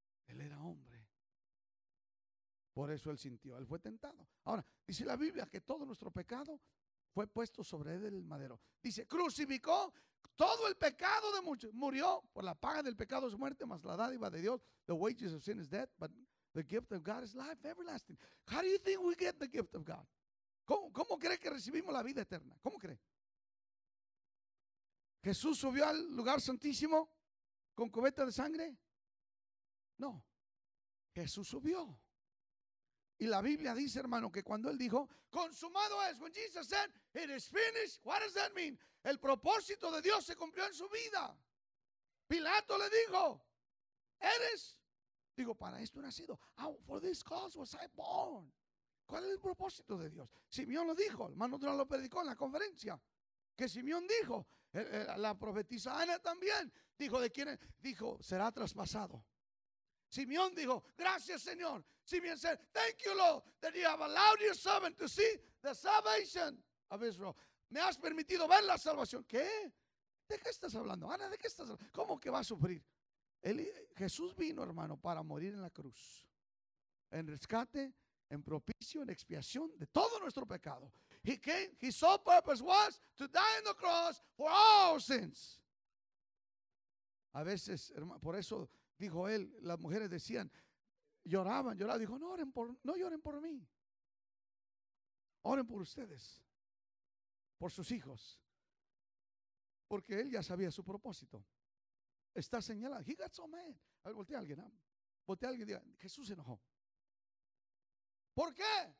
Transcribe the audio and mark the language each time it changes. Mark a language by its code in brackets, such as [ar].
[es] Él era hombre. Por eso él sintió. Él fue tentado. Ahora, dice la Biblia que todo nuestro pecado fue puesto sobre él del madero. Dice, crucificó todo el pecado de muchos. Murió por la paga del pecado es muerte, más la dádiva de Dios. [en] The wages of sin is death, but the gift of God is life everlasting. How do you think we get the gift of God? [es] ¿Cómo cree que recibimos la vida eterna? ¿Cómo cree? ¿Jesús subió al lugar santísimo con cubeta de sangre? No. Jesús subió. Y la Biblia dice, hermano, que cuando él dijo, consumado es, [en] when Jesus said, it is finished, what does that mean? [es] El propósito de Dios se cumplió en su vida. Pilato le dijo, eres, digo, para esto he nacido. [en] Oh, for this cause was I born. [es] ¿Cuál es el propósito de Dios? Simeón lo dijo, el hermano Durán lo predicó en la conferencia. Que Simeón dijo, la profetisa Ana también, dijo, ¿de quién es? Dijo, será traspasado. Simeón dijo, gracias Señor. [en] Simeón said, thank you Lord, that you have allowed your servant to see the salvation of Israel. [es] Me has permitido ver la salvación. ¿Qué? ¿De qué estás hablando, Ana? ¿De qué estás hablando? ¿Cómo que va a sufrir? Jesús vino, hermano, para morir en la cruz. En rescate, en propicio, en expiación de todo nuestro pecado. [en] He came, his sole purpose was to die on the cross for all sins. [es] A veces, hermano, por eso dijo él, las mujeres decían, lloraban, dijo, no lloren por mí, oren por ustedes, por sus hijos, porque él ya sabía su propósito, está señalado, [en] he got so mad, [es] a ver, voltea a alguien, diga, Jesús se enojó, ¿por qué?